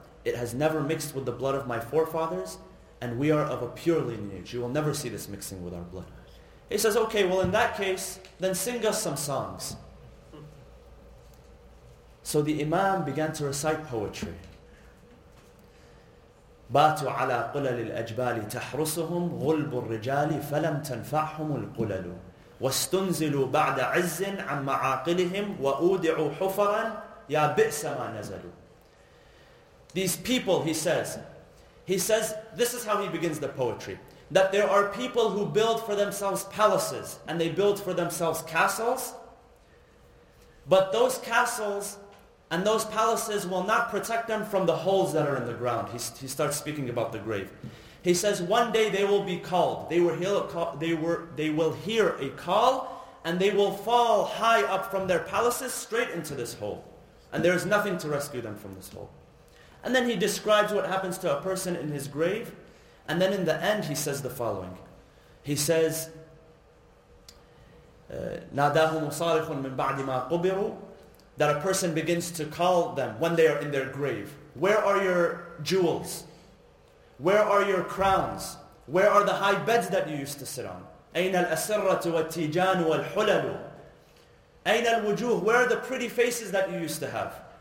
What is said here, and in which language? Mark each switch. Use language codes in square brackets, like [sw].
[en] It has never mixed with the blood of my forefathers. And we are of a pure lineage. You will never see this mixing with our blood." He says, "Okay, well in that case, then sing us some songs." So the Imam began to recite poetry. [ar] باتوا على قلل الأجبال تحرسهم غلب الرجال فلم تنفعهم القلل واستنزلوا بعد عز عن معاقلهم وأودعوا حفرا يا بئس ما نزلوا. [en] These people, he says, this is how he begins the poetry, that there are people who build for themselves palaces and they build for themselves castles, but those castles and those palaces will not protect them from the holes that are in the ground. He starts speaking about the grave. He says, one day they will be called. They will hear a call, and they will fall high up from their palaces straight into this hole. And there is nothing to rescue them from this hole. And then he describes what happens to a person in his grave. And then in the end, he says the following. He says, [ar] نَادَاهُمُ صَالِحٌ مِنْ بَعْدِ مَا قُبِرُوا. [en] That a person begins to call them when they are in their grave. Where are your jewels? Where are your crowns? Where are the high beds that you used to sit on? [ar] أَيْنَ الْأَسِرَّةُ وَالْتِيجَانُ وَالْحُلَلُ أَيْنَ الْوُجُوهُ. [en] Where are the pretty faces that you used to have?